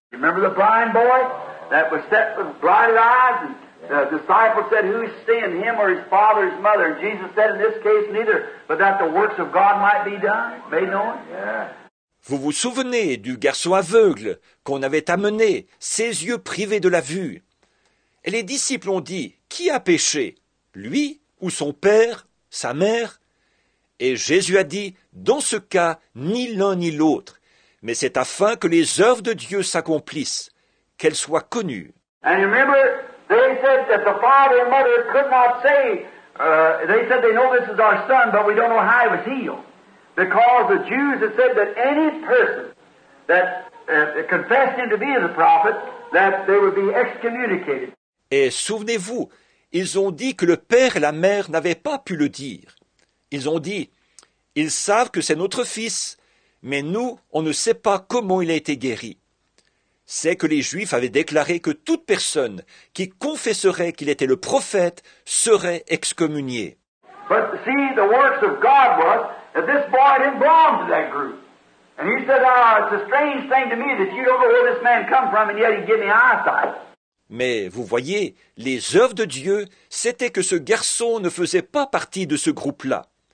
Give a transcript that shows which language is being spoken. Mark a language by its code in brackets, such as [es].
[en] You remember the blind boy that was set with blinded eyes? And the disciples said, who's sinned, him or his father, his mother? And Jesus said, in this case, neither, but that the works of God might be done, made known. Yeah. [fr] Vous vous souvenez du garçon aveugle qu'on avait amené, ses yeux privés de la vue. Et les disciples ont dit, qui a péché, lui ou son père, sa mère? Et Jésus a dit, dans ce cas, ni l'un ni l'autre, mais c'est afin que les œuvres de Dieu s'accomplissent, qu'elles soient connues. [en] And you remember, they said that the father and mother could not say, they said they know this is our son, but we don't know how he was healed. Because the Jews had said that any person that confessed him to be the prophet, that they would be excommunicated. [fr] Et souvenez-vous, ils ont dit que le père et la mère n'avaient pas pu le dire. Ils ont dit, ils savent que c'est notre fils, mais nous, on ne sait pas comment il a été guéri. C'est que les Juifs avaient déclaré que toute personne qui confesserait qu'il était le prophète serait excommuniée. [en] But see, the works of God was that this boy didn't belong to that group. And he said, it's a strange thing to me that you don't know where this man come from and yet he give me eyesight. [fr] Mais vous voyez, les œuvres de Dieu, c'était que ce garçon ne faisait pas partie de ce groupe-là.